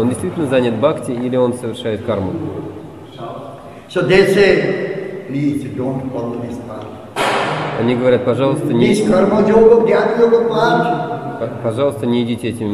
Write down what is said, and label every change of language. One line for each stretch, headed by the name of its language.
Russian: Он действительно занят бхакти или он совершает карму?
English: So they say, please don't follow this path.
Russian: Они говорят, пожалуйста, не идите. Карма йога, гьяна йога path. Пожалуйста, не идите этими